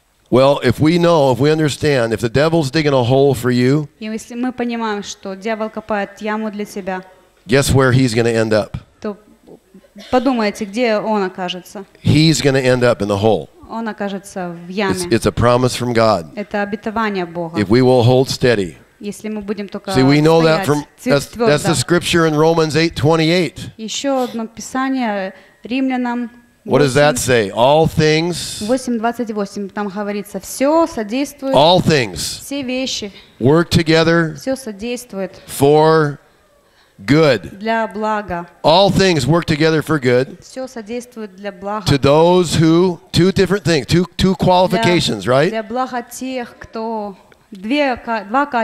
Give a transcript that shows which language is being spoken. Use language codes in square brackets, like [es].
[en] Well, if we know, if we understand, if the devil's digging a hole for you, guess where he's going to end up? [ru] Подумайте, где он окажется. [en] He's going to end up in the hole. [ru] Он окажется в яме. [en] It's a promise from God. [ru] Это обетование Бога. [en] If we will hold steady. [ru] Если мы будем только [en] стоять. See, we know that from that's the scripture in Romans 8:28. [ru] Еще одно писание Римлянам. [en] What does that say? All things. [ru] 8:28 там говорится, все содействует. [en] All things. [ru] Все вещи. [en] Work together. [ru] Все содействует. [en] For good. [ru] Для блага. [en] All things work together for good. [ru] Все содействует для блага. [en] To those who two different things, two qualifications, [ru] для, [en] right? [ru] Для блага тех, кто два качества.